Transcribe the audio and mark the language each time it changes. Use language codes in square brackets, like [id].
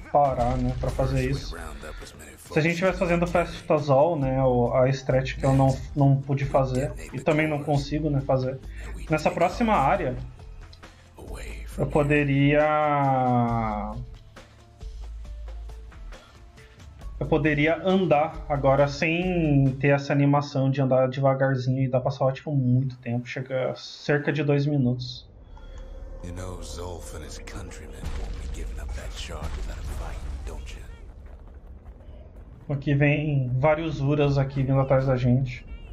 [pt] parar, né, pra fazer isso. Se a gente estivesse fazendo Festazol, né, a stretch que eu não pude fazer, e também não consigo, né, fazer, nessa próxima área, eu poderia... Eu poderia andar agora sem ter essa animação de andar devagarzinho e dá pra salvar tipo muito tempo, chega a cerca de 2 minutos. [en] You know Zolf and his countrymen won't be giving up that shard without a fight, don't you? [pt] Aqui vem vários Uras aqui vindo atrás da gente.